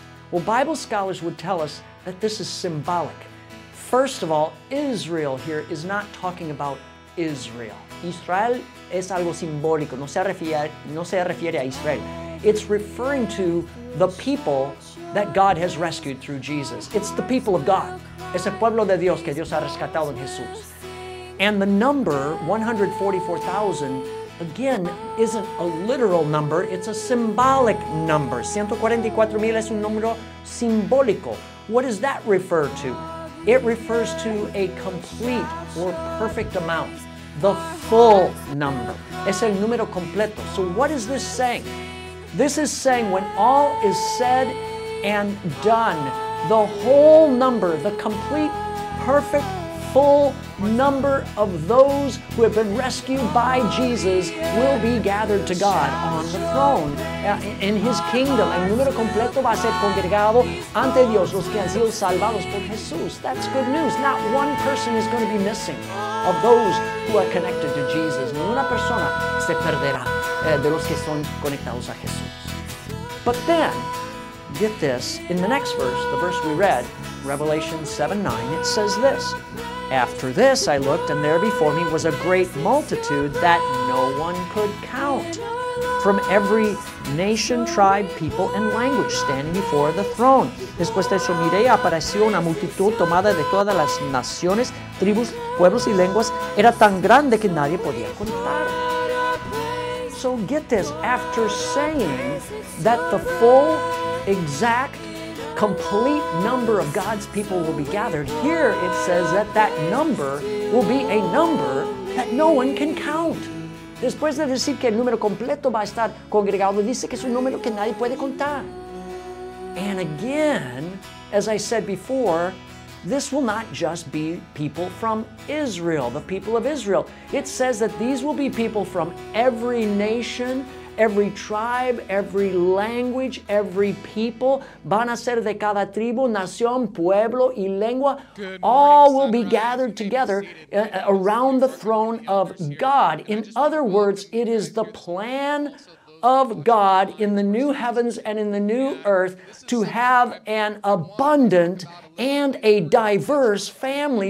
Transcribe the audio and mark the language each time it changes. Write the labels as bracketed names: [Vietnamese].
[English] Well, Bible scholars would tell us that this is symbolic. First of all, Israel here is not talking about Israel. [Spanish] Israel es algo simbólico, no se refiere a Israel. [English] It's referring to the people that God has rescued through Jesus. It's the people of God. [Spanish] Es el pueblo de Dios que Dios ha rescatado en Jesús. [English] And the number, 144,000, again, isn't a literal number, it's a symbolic number. [Spanish] 144,000 es un número simbólico. [English] What does that refer to? It refers to a complete or perfect amount, the full number. [Spanish] Es el número completo. [English] So what is this saying? This is saying when all is said and done, the whole number, the complete, perfect, full number of those who have been rescued by Jesus will be gathered to God on the throne, in His kingdom. [Spanish] El número completo va a ser congregado ante Dios, los que han sido salvados por Jesús. [English] That's good news. Not one person is going to be missing of those who are connected to Jesus. [Spanish] Ni una persona se perderá de los que son conectados a Jesús. [English] But then, get this, in the next verse, the verse we read, Revelation 7:9, it says this, "After this I looked, and there before me was a great multitude that no one could count, from every nation, tribe, people, and language, standing before the throne." [Spanish] Después de eso miré y apareció una multitud tomada de todas las naciones, tribus, pueblos y lenguas. Era tan grande que nadie podía contar. [English] So get this, after saying that the full, exact, complete number of God's people will be gathered, here it says that that number will be a number that no one can count. [Spanish] Después de decir que el número completo va a estar congregado, dice que es un número que nadie puede contar. [English] And again, as I said before, this will not just be people from Israel, the people of Israel. It says that these will be people from every nation, every tribe, every language, every people. [Spanish] Van a ser de cada tribu, nación, pueblo y lengua. [English] All will be gathered together around the throne of God. In other words, it is the plan of God in the new heavens and in the new earth to have an abundant and a diverse family.